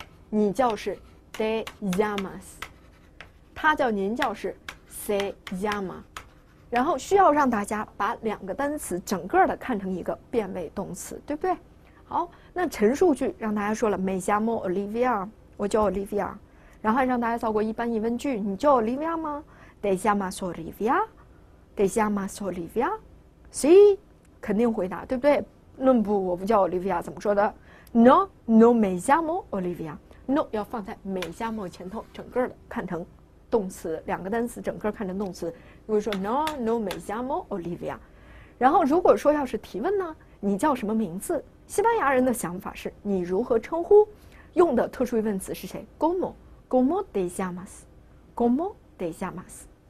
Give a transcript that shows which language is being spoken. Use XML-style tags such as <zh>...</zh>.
<zh>你叫是</zh> <es>te llamas，</es> <zh>他叫您叫是</zh> <es>se llama。</es> <zh>然后需要让大家把两个单词整个的看成一个变位动词，对不对？好，那陈述句让大家说了</zh> <es>me llamo Olivia，</es> <zh>我叫 Olivia， 然后让大家造过一般疑问句，你叫 Olivia 吗？</zh> <es>te llamas Olivia， te llamas Olivia， si， 肯定回答，对不对？</es> <zh>那不，我不叫 Olivia， 怎么说的？</zh> <es>no no me llamo OliviaNo</es> <zh>要放在me llamo前头，整个的看成动词，两个单词整个看成动词，你会说</zh> <es>No no me llamo Olivia。</es> <zh>然后如果说要是提问呢，你叫什么名字，西班牙人的想法是你如何称呼，用的特殊疑问词是谁，</zh> <es>Como Como te llamas， Como te llamas。</es>